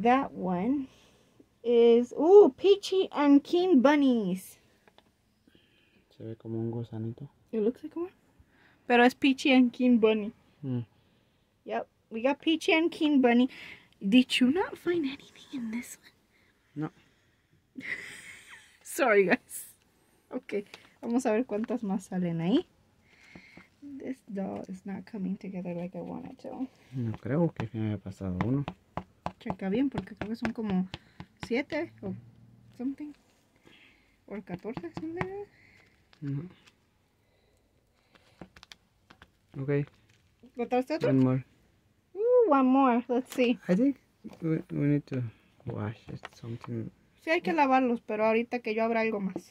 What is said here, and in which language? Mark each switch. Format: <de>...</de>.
<en>That one is, ooh, Peachy and Keen bunnies.</en> <es>Se ve como un gusanito.</es> <en>It looks like one.</en> <es>Pero es</es> <en>Peachy and Keen bunny. Yep, we got Peachy and Keen bunny. Did you not find anything in this one? No. Sorry, guys.</en> <es>Okay, vamos a ver cuántas más salen ahí.</es> <en>This doll is not coming together like I wanted to.</en> <es>No creo que me haya pasado uno. Checa bien, porque creo que son como 7 o</es> <en>something.</en> <es>O 14, ¿sí? No.</es> <en>Okay.</en> <es>¿Botaste otro?</es> <en>One more. One more. Let's see. I think we need to wash it something.</en> <es>Sí, hay que lavarlos, pero ahorita que yo abra algo más.</es>